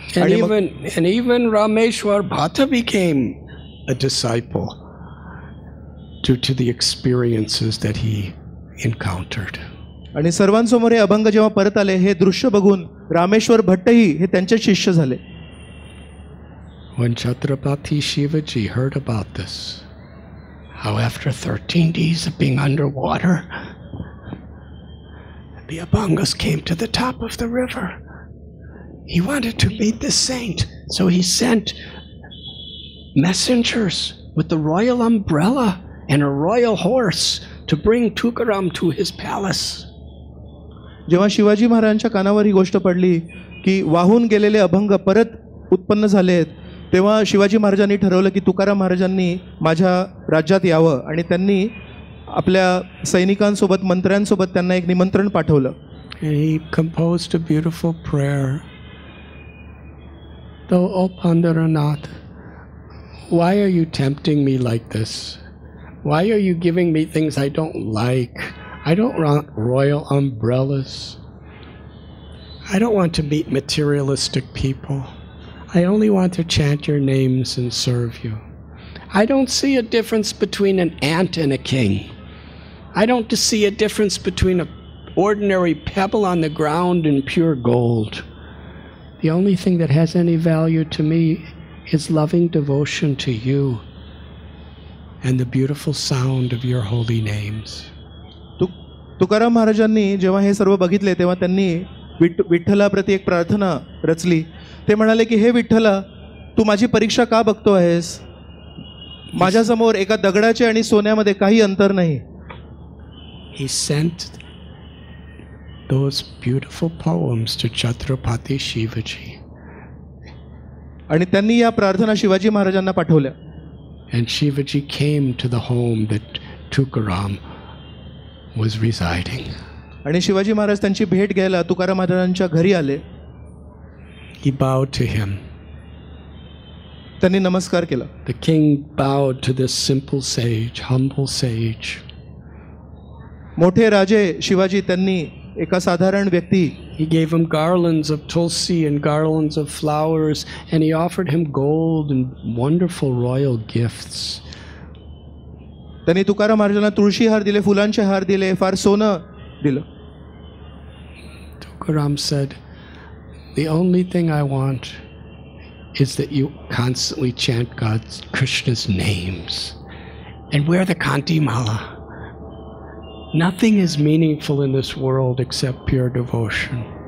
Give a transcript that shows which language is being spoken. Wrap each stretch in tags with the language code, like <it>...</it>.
<en>आणि even Rameshwar Bhat became a disciple due to the experiences that he encountered.</en> <mr>आणि सर्वांसमोर हे अभंग जेव्हा परत आले हे दृश्य बघून रामेश्वर भट्टही हे त्यांचे शिष्य झाले.</mr> <en>When Chhatrapati Shivaji heard about this, how after 13 days of being underwater, the abhangas came to the top of the river, he wanted to meet the saint. So he sent messengers with the royal umbrella and a royal horse to bring Tukaram to his palace. जेव्हा शिवाजी महाराजांच्या कानावर ही गोष्ट पडली की वाहून गेलेले अभंग परत उत्पन्न झाले आहेत, तेव्हा शिवाजी महाराजांनी ठरवलं की तुकाराम महाराजांनी माझ्या राज्यात यावं आणि त्यांनी आपल्या सैनिकांसोबत मंत्र्यांसोबत त्यांना एक निमंत्रण पाठवलं. He composed a beautiful prayer. Though, O Pandurnath, why are you tempting me like this? Why are you giving me things I don't like? I don't want royal umbrellas. I don't want to meet materialistic people. I only want to chant your names and serve you. I don't see a difference between an ant and a king. I don't see a difference between an ordinary pebble on the ground and pure gold. The only thing that has any value to me is loving devotion to you and the beautiful sound of your holy names.</en> <mr>Tukaram Maharajanni jeva he sarva baghitle teva tanni विठ्ठलाप्रती एक प्रार्थना रचली. ते म्हणाले की हे विठ्ठला, तू माझी परीक्षा का बघतो आहेस? माझ्यासमोर एका दगडाचे आणि सोन्यामध्ये काही अंतर नाही.</mr> <en>He sent those beautiful poems to Chhatrapati Shivaji.</en> <mr>आणि त्यांनी या प्रार्थना शिवाजी महाराजांना पाठवल्या.</mr> <en>And Shivaji came to the home that Tukaram was residing.</en> <mr>आणि शिवाजी महाराज त्यांची भेट घ्यायला तुकाराम महाराजांच्या घरी आले.</mr> <en>He bowed to him.</en> <mr>त्यांनी नमस्कार केला.</mr> <en>The king bowed to this simple sage, humble sage.</en> <mr>मोठे राजे शिवाजी त्यांनी एका साधारण व्यक्ती.</mr> <en>He gave him garlands of tulsi and garlands of flowers, and he offered him gold and wonderful royal gifts.</en> <mr>त्यांनी तुकाराम महाराजांना तुळशी हार दिले, फुलांचे हार दिले, फार सोनं दिलं.</mr> <en>Tukaram said, "The only thing I want is that you constantly chant God's Krishna's names and wear the kanti mala. Nothing is meaningful in this world except pure devotion."</en>